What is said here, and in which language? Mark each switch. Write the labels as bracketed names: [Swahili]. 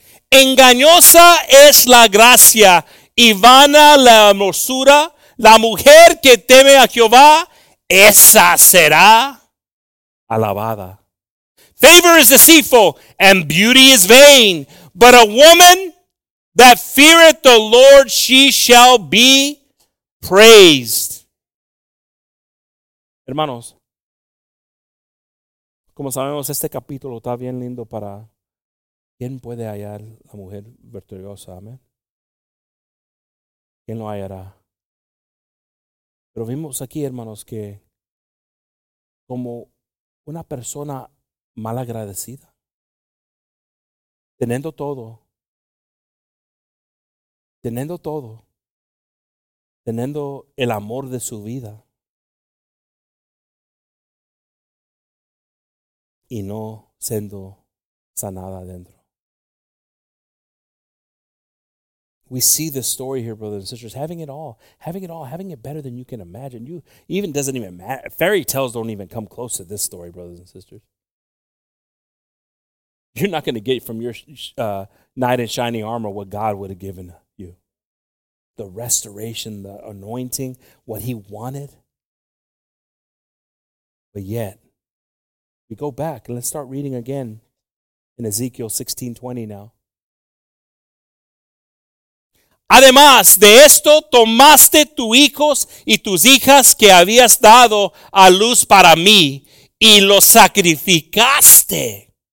[Spanish] Engañosa es la gracia y vana la hermosura. La mujer que teme a Jehová, esa será alabada. [English] Favor is deceitful and beauty is vain, but a woman that feareth the Lord, she shall be praised. [Spanish] Hermanos, como sabemos, este capítulo está bien lindo para quien puede hallar la mujer virtuosa. Amén. ¿Quién lo hallará? Pero vimos aquí, hermanos, que como una persona malagradecida, teniendo todo, teniendo el amor de su vida, y no siendo sanada adentro. [English] We see the story here, brothers and sisters, having it all, having it better than you can imagine. You even doesn't even matter. Fairy tales don't even come close to this story, brothers and sisters. You're not going to get from your knight in shining armor what God would have given you. The restoration, the anointing, what he wanted. But yet, we go back and let's start reading again in Ezekiel 16:20 now. [Spanish] Además de esto, tomaste tus hijos y tus hijas que habías dado a luz para mí y los sacrificaste